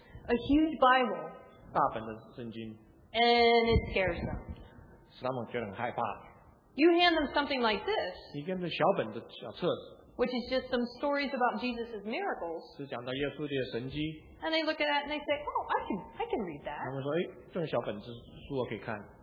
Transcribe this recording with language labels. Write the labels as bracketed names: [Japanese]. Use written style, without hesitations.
[English] A huge Bible, [Chinese] 大本的圣经 [English] and it scares them. [Chinese] 使他们觉得很害怕。 [English] You hand them something like this. [Chinese] 你给他们小本的小册子。 [English] Which is just some stories about Jesus's miracles. [Chinese] 是讲到耶稣的神迹。 [English] And they look at it and they say, "Oh, I can read that." [Chinese] 他们说，哎，这种小本子书我可以看。